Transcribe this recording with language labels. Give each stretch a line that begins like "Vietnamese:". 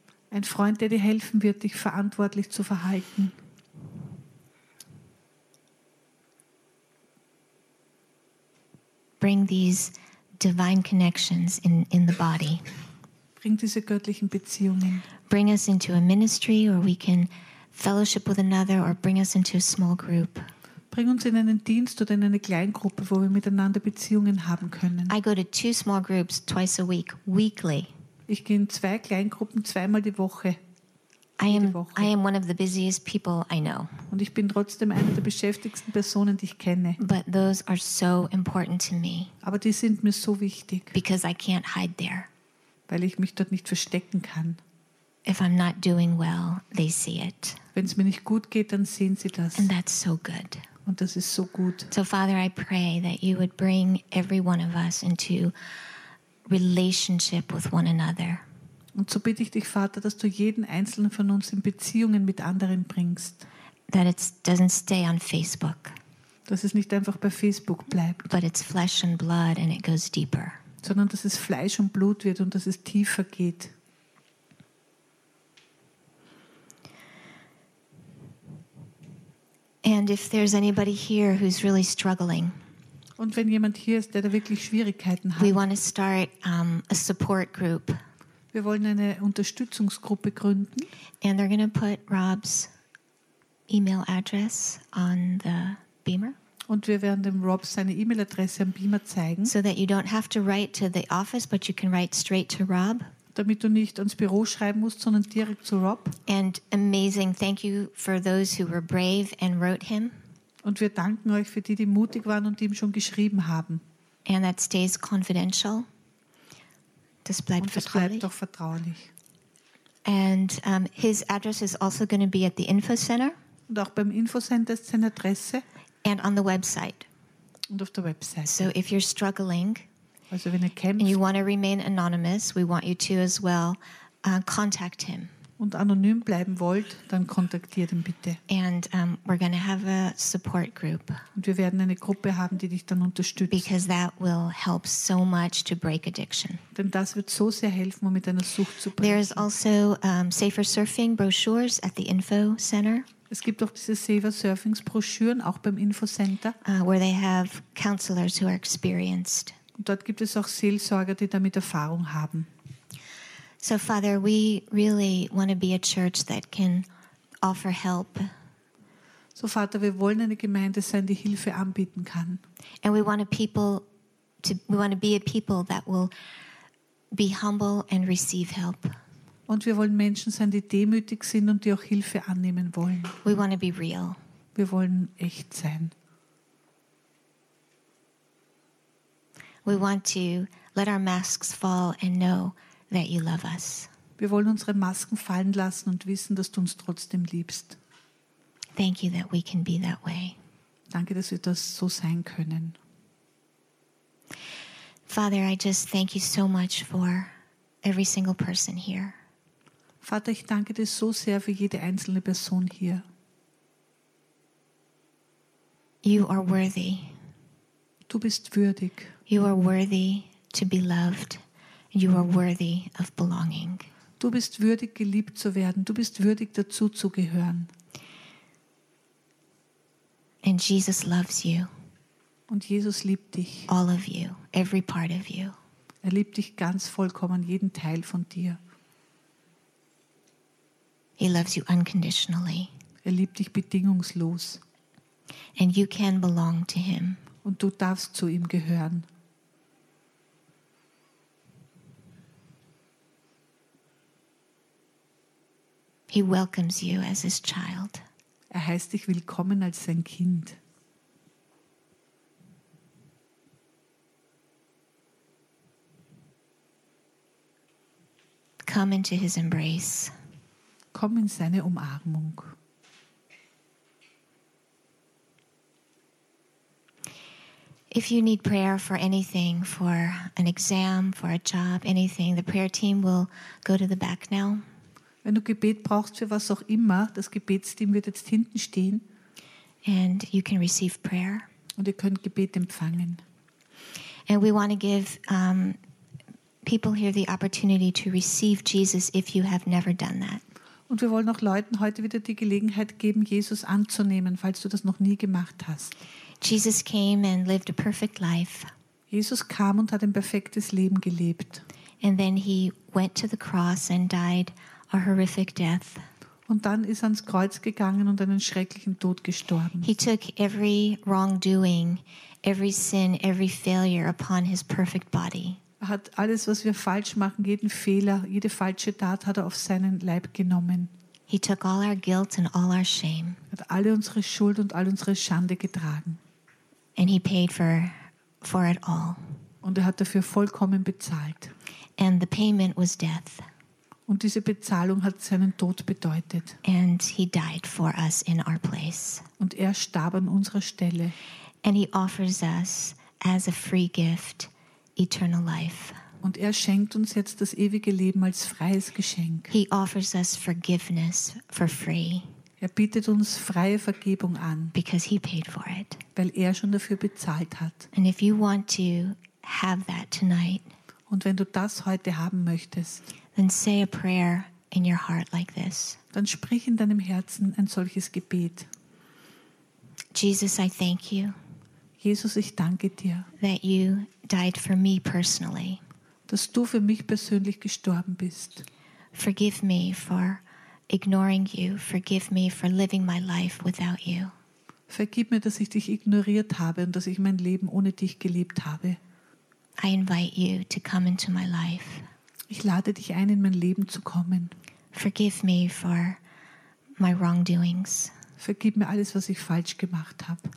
German: Ein Freund, der dir helfen wird, dich verantwortlich zu verhalten.
English: Bring these divine connections in the body.
German: Bring diese göttlichen Beziehungen.
English: Bring us into a ministry or we can fellowship with another or bring us into a small group.
German: Bring uns in einen Dienst oder in eine Kleingruppe, wo wir miteinander Beziehungen haben können.
English: I go to two small groups twice a week, weekly.
German: Ich gehe in zwei Kleingruppen zweimal die Woche.
English: I am one of the busiest people I know.
German: Und ich bin trotzdem eine der beschäftigsten Personen, die ich kenne.
English: But those are so important to me.
German: Aber die sind mir so wichtig.
English: Because I can't hide there.
German: Weil ich mich dort nicht verstecken kann.
English: If I'm not doing well, they see it.
German: Wenn's mir nicht gut geht, dann sehen sie das.
English: And that's so good.
German: Und das ist so gut.
English: So Father, I pray that you would bring every one of us into relationship with one another.
German: Und so bitte ich dich, Vater, dass du jeden einzelnen von uns in Beziehungen mit anderen bringst.
English: That it doesn't stay on Facebook.
German: Dass es nicht einfach bei Facebook bleibt.
English: But it's flesh and blood and it goes deeper.
German: Sondern dass es Fleisch und Blut wird und dass es tiefer geht.
English: And if there's anybody here who's really struggling.
German: Und wenn jemand hier ist, der da wirklich Schwierigkeiten hat.
English: We want to start a support group.
German: Wir wollen eine Unterstützungsgruppe gründen.
English: And they're going to put Rob's email address on the Beamer.
German: Und wir werden dem Rob seine E-Mail-Adresse am Beamer zeigen.
English: So that you don't have to write to the office, but you can write straight to Rob.
German: Damit du nicht ans Büro schreiben musst, sondern direkt zu Rob.
English: And amazing, thank you for those who were brave and wrote him.
German: Und wir danken euch für die, die mutig waren und die ihm schon geschrieben haben.
English: And that stays confidential.
German: Das bleibt vertraulich. Und das bleibt doch vertraulich.
English: And his address is also going to be at the Info Center.
German: Und auch beim Info Center ist seine Adresse.
English: And on the website.
German: Und auf der Website.
English: So if you're struggling,
German: also wenn ihr kämpft,
English: and you want to remain anonymous, we want you to as well contact him.
German: Und anonym bleiben wollt, dann kontaktiert ihn bitte.
English: And we're going to have a support group.
German: Und wir werden eine Gruppe haben, die dich dann unterstützt.
English: Because that will help so much to break addiction.
German: Denn das wird so sehr helfen, um mit einer Sucht zu brechen.
English: There is also safer surfing brochures at the Info Center.
German: Es gibt auch diese Safer Surfings Broschüren auch beim Info Center.
English: Where they have counselors who are experienced.
German: Und dort gibt es auch Seelsorger, die damit Erfahrung haben.
English: So Father, we really want to be a church that can offer help.
German: So Vater, wir wollen eine Gemeinde sein, die Hilfe anbieten kann.
English: And we want to be a people that will be humble and receive help.
German: Und wir wollen Menschen sein, die demütig sind und die auch Hilfe annehmen wollen.
English: We want to be real.
German: Wir wollen echt sein.
English: We want to let our masks fall and know that you love us.
German: Wir wollen unsere Masken fallen lassen und wissen, dass du uns trotzdem liebst.
English: Thank you that we can be that way.
German: Danke, dass wir das so sein können.
English: Father, I just thank you so much for every single person here.
German: Vater, ich danke dir so sehr für jede einzelne Person hier.
English: You are worthy.
German: Du bist würdig.
English: You are worthy to be loved. You are worthy of belonging.
German: Du bist würdig, geliebt zu werden. Du bist würdig, dazu zu gehören.
English: And Jesus loves you.
German: Und Jesus liebt dich.
English: All of you, every part of you.
German: Er liebt dich ganz vollkommen, jeden Teil von dir.
English: He loves you unconditionally.
German: Er liebt dich bedingungslos.
English: And you can belong to him.
German: Und du darfst zu ihm gehören.
English: He welcomes you as his child.
German: Er heißt dich willkommen als sein Kind.
English: Come into his embrace.
German: Komm in seine Umarmung.
English: If you need prayer for anything, for an exam, for a job, anything, the prayer team will go to the back now.
German: Wenn du Gebet brauchst für was auch immer, das Gebetsteam wird jetzt hinten stehen.
English: And you can receive prayer.
German: Und ihr könnt Gebet empfangen.
English: And we want to give people here the opportunity to receive Jesus if you have never done that.
German: Und wir wollen auch Leuten heute wieder die Gelegenheit geben, Jesus anzunehmen, falls du das noch nie gemacht hast.
English: Jesus came and lived a perfect life.
German: Jesus kam und hat ein perfektes Leben gelebt.
English: And then he went to the cross and died a horrific death.
German: Und dann ist er ans Kreuz gegangen und einen schrecklichen Tod gestorben.
English: He took every wrongdoing, every sin, every failure upon his perfect body.
German: Er hat alles, was wir falsch machen, jeden Fehler, jede falsche Tat, hat er auf seinen Leib genommen.
English: He took all our guilt and all our shame.
German: Er hat alle unsere Schuld und all unsere Schande getragen.
English: And he paid for it all.
German: Und er hat dafür vollkommen bezahlt.
English: And the payment was death.
German: Und diese Bezahlung hat seinen Tod bedeutet.
English: And he died for us in our place.
German: Und er starb an unserer Stelle.
English: And he offers us as a free gift eternal life.
German: Und er schenkt uns jetzt das ewige Leben als freies Geschenk.
English: He offers us forgiveness for free.
German: Er bietet uns freie Vergebung an.
English: Because he paid for it.
German: Weil er schon dafür bezahlt hat.
English: And if you want to have that tonight,
German: und wenn du das heute haben möchtest,
English: then say a prayer in your heart like this.
German: Dann sprich in deinem Herzen ein solches Gebet.
English: Jesus, I thank you.
German: Jesus, ich danke dir.
English: That you died for me personally.
German: Dass du für mich persönlich gestorben bist.
English: Forgive me for ignoring you. Forgive me for living my life without you.
German: Vergib mir, dass ich dich ignoriert habe und dass ich mein Leben ohne dich gelebt habe.
English: I invite you to come into my life.
German: Ich lade dich ein, in mein Leben zu kommen.
English: Forgive me for my wrongdoings.
German: Vergib mir alles, was ich falsch gemacht habe.